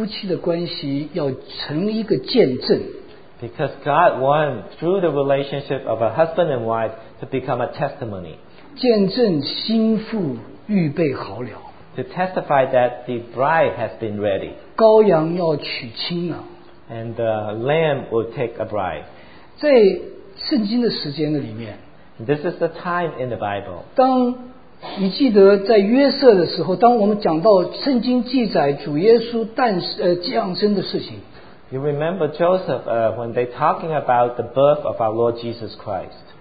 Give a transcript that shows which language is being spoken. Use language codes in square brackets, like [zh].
[zh] 因为神实在借着地上夫妻的关系要成一个见证。 [en] Because God wants through the relationship of a husband and wife to become a testimony. [zh] 见证心腹预备好了。 [en] To testify that the bride has been ready. [zh] 羔羊要娶亲了。 [en] And the lamb will take a bride. [zh] 在圣经的时间里面。 [en] This is the time in the Bible. [zh] 当你记得在约瑟的时候, 当我们讲到圣经记载主耶稣降生的事情, [en] You remember Joseph when they're talking about the birth of our Lord Jesus Christ.